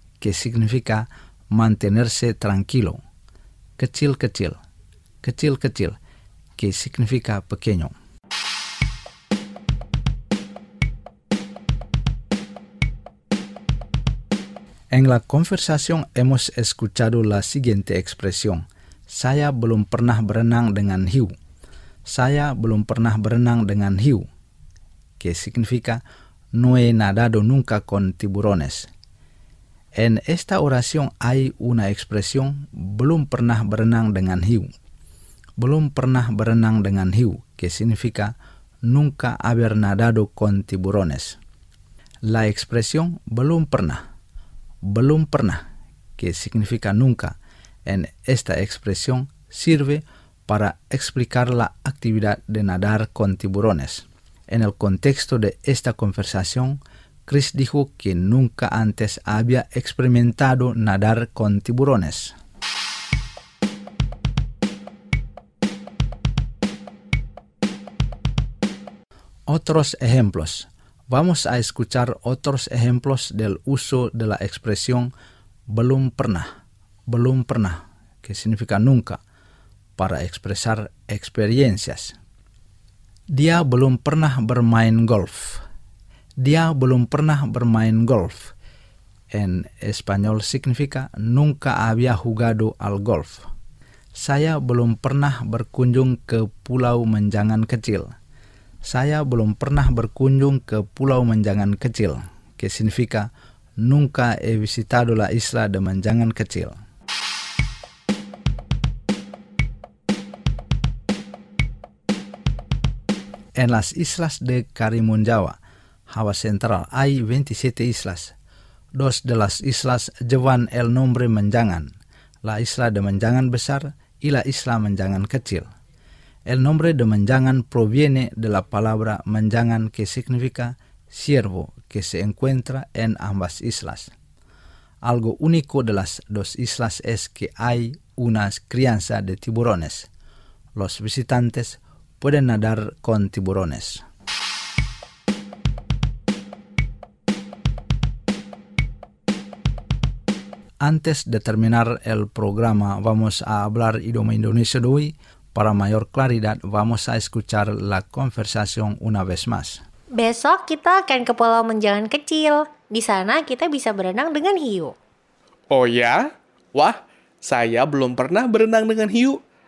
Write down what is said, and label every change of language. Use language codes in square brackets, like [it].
[es] Que significa mantenerse tranquilo. Kecil-kecil. Kecil-kecil. Que significa pequeño. En la conversación hemos escuchado la siguiente expresión. [id] Saya belum pernah berenang dengan hiu. Saya belum pernah berenang dengan hiu. [es] Que significa No he nadado nunca con tiburones. En esta oración hay una expresión [id] Belum pernah berenang dengan hiu. Belum pernah berenang dengan hiu. [es] Que significa Nunca haber nadado con tiburones. La expresión Belum pernah. Belum pernah. Que significa nunca. En esta expresión sirve para explicar la actividad de nadar con tiburones. En el contexto de esta conversación, Chris dijo que nunca antes había experimentado nadar con tiburones. Otros ejemplos. Vamos a escuchar otros ejemplos del uso de la expresión belum pernah. Belum pernah, que significa nunca, para expresar experiencias. [id] Dia belum pernah bermain golf. Dia belum pernah bermain golf. [es] En español significa nunca había jugado al golf. [id] Saya belum pernah berkunjung ke Pulau Menjangan Kecil. Saya belum pernah berkunjung ke Pulau Menjangan Kecil. [es] Que significa nunca he visitado la isla de Menjangan Kecil. En las islas de Karimun Jawa, Java Central, hay 27 islas. Dos de las islas llevan el nombre Menjangan, la isla de Menjangan Besar y la isla Menjangan Kecil. El nombre de Menjangan proviene de la palabra Menjangan que significa siervo que se encuentra en ambas islas. Algo único de las dos islas es que hay una crianza de tiburones. Los visitantes pueden nadar con tiburones. Antes de terminar el programa, vamos a hablar idioma indonesio de hoy. Para mayor claridad, vamos a escuchar la conversación una vez más. [id] Besok kita akan ke Pulau Menjangan Kecil. Di sana kita bisa berenang dengan hiu. Oh ya? Wah, saya belum pernah berenang dengan hiu.